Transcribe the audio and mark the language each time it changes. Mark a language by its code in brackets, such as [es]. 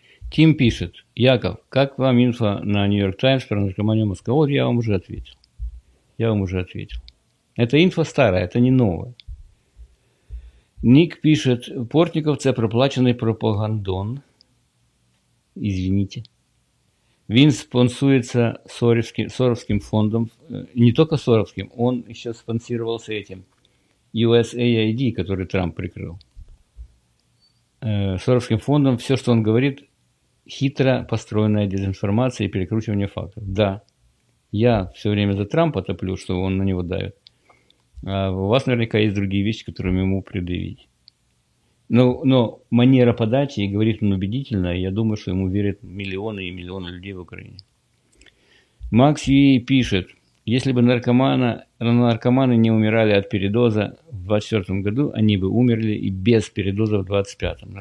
[ru] Тим пишет, Яков, как вам инфа на Нью-Йорк Таймс про наркоманию Маска? Вот я вам уже ответил. Это инфа старая, это не новая. Ник пишет, Портников – це проплаченный пропагандон. Извините. [uk] Він спонсується Соровським фондом, не тільки Соровським, він ще спонсорувався цим USAID, який Трамп прикрив. Соровським фондом все, що він говорить, хитро построєна дезінформація і перекручування фактів. [ru] Да, я все время за Трампа топлю, [uk] що він на нього [ru] давит. [uk] А у вас наверняка є інші речі, які йому пред'явить. [ru] Но манера подачи, и говорит он убедительно, я думаю, что ему верят миллионы и миллионы людей в Украине. Макс Юи пишет, если бы наркоманы не умирали от передоза в 24-м году, они бы умерли и без передоза в 25-м.